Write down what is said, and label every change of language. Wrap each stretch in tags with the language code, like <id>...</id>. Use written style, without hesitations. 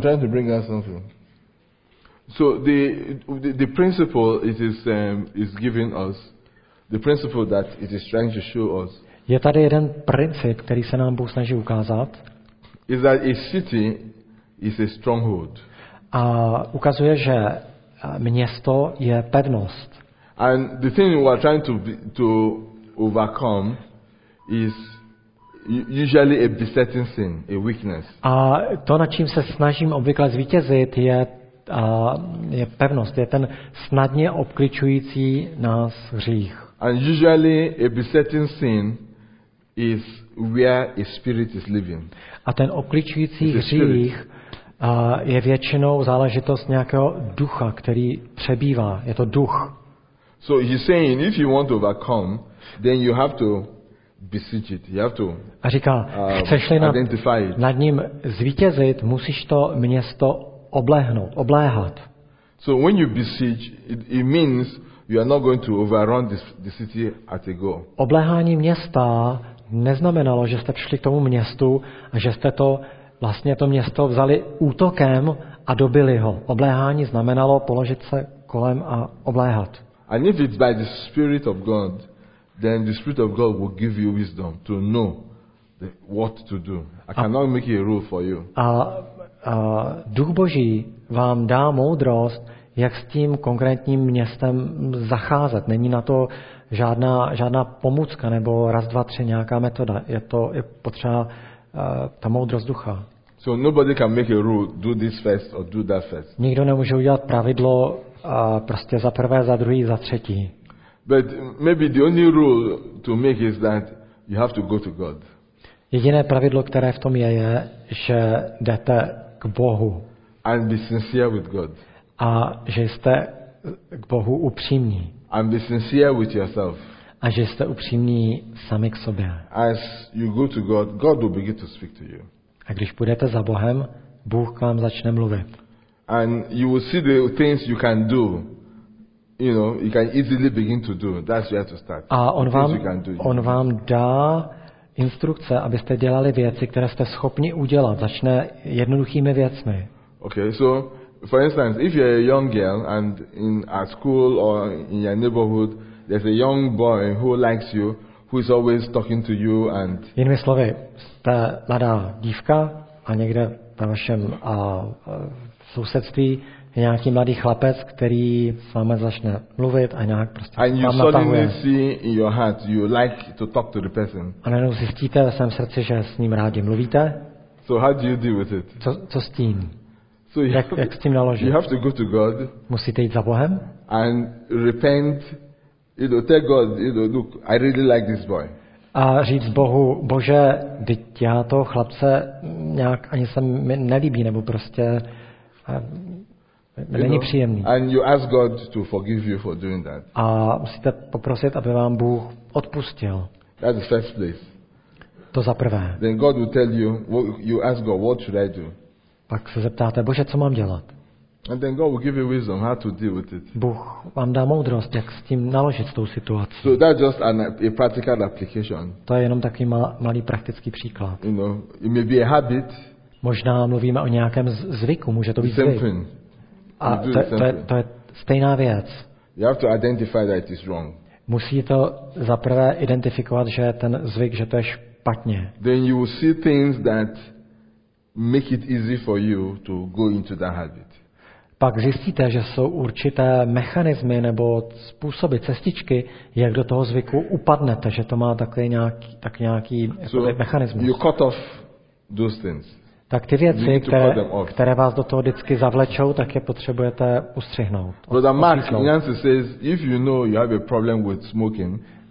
<en>I'm trying to bring that something. So the principle it is giving us. The principle that it is trying to show us.</en> <cs>Je tady jeden princip, který se nám Bůh snaží ukázat.</cs> <en>Is that a city is a stronghold.</en> <cs>A ukazuje, že město je pevnost.</cs> <en>And the thing we are trying to overcome is usually a besetting sin, a weakness.</en> <cs>A to, na čím se snažím obvykle zvítězit, je je pevnost, je ten snadně obklíčující nás hřích.</cs> <en>And usually a besetting sin is where a spirit is living.</en> <cs>A ten obklíčující hřích je většinou záležitost nějakého ducha, který přebývá. Je to duch.</cs> <en>So he's saying if you want to overcome, then you have to besiege it. You have to.</en> <cs>A říká, chceš-li nad ním zvítězit, musíš to město oblehnout, obléhat.</cs> <en>So when you besiege, it means you are not going to overrun the city at a go.</en> <cs>Obléhání města neznamenalo, že jste přišli k tomu městu a že jste to vlastně to město vzali útokem a dobili ho. Obléhání znamenalo položit se kolem a obléhat.</cs> <en>And if it's by the Spirit of God, then the Spirit of God will give you wisdom to know what to do. I cannot make a rule for you.</en> <cs>A Duch Boží vám dá moudrost, jak s tím konkrétním městem zacházet. Není na to žádná pomůcka nebo raz, dva, tři nějaká metoda. Je to je potřeba ta moudrost ducha.</cs> <en>So nobody can make a rule, do this first or do that first.</en> <cs>Nikdo nemůže udělat pravidlo prostě za prvé, za druhý, za třetí.</cs> <en>But maybe the only rule to make is that you have to go to God.</en> <cs>Jediné pravidlo, které v tom je, že jdete k Bohu.</cs> <en>And be sincere with God.</en> <cs>A že jste k Bohu upřímní.</cs> <en>And be sincere with yourself.</en> <cs>A že jste upřímní sami k sobě.</cs> <en>As you go to God, God will begin to speak to you.</en> <cs>A když půjdete za Bohem, Bůh k vám začne mluvit.</cs> <en>And you will see the things you can do. You know, you can easily begin to do. That's where to start.</en> <cs>A on vám dá instrukce, abyste dělali věci, které jste schopni udělat. Začne jednoduchými věcmi.</cs> <en>Okay, so For instance, if you're a young girl and in at school or in your neighborhood, there's a young boy who likes you, who is always talking to you and.</en> <cs>Jinými slovy, ta mladá dívka a někde na vašem sousedství je nějaký mladý chlapec, který s vámi začne mluvit a nějak prostě vám natahuje.</cs> <en>And you suddenly see in your heart you like to talk to the person.</en> <cs>A najednou zjistíte ve svém srdci, že s ním rádi mluvíte.</cs> <en>So how do you deal with it?</en> <cs>Co s tím? So jak s tím naložit?</cs> <en>You have to go to God.</en> <cs>Musíte jít za Bohem.</cs> <en>And repent. You know, tell God, you know, look, I really like this boy.</en> <cs>A říct Bohu, Bože, teď já toho chlapce nějak ani se mi nelíbí, nebo prostě není příjemný.</cs> <en>And you ask God to forgive you for doing that.</en> <cs>A musíte poprosit, aby vám Bůh odpustil.</cs> <en>That's the first place.</en> <cs>To za prvé.</cs> <en>Then God will tell you, you ask God, what should I do?</en> <cs>Pak se zeptáte, Bože, co mám dělat?</cs> <en>And then God will give you wisdom how to deal with it.</en> <cs>Bůh vám dá moudrost, jak s tím naložit s tou situací.</cs> <en>So that's just a practical application.</en> <cs>To je jenom takový malý praktický příklad.</cs> <en>You know, it may be a habit.</en> <cs>Možná mluvíme o nějakém zvyku, může to být zvyk.</cs> <en>Same thing.</en> <cs>A to je stejná věc.</cs> <en>You have to identify that it is wrong.</en> <cs>Musí to zaprvé identifikovat, že ten zvyk, že to je špatně.</cs> <en>Then you will see things that make it easy for you to go into that habit.</en> <cs>Pak zjistíte, že jsou určité mechanismy nebo způsoby, cestičky, jak do toho zvyku upadnete, že to má takový nějaký mechanismus.</cs> <en>You cut off those things.</en> <cs>Tak ty věci, které vás do toho vždycky zavlečou, tak je potřebujete ustřihnout.</cs> <en>Brother Mark Nancy says, if you know you have a problem with smoking,</en>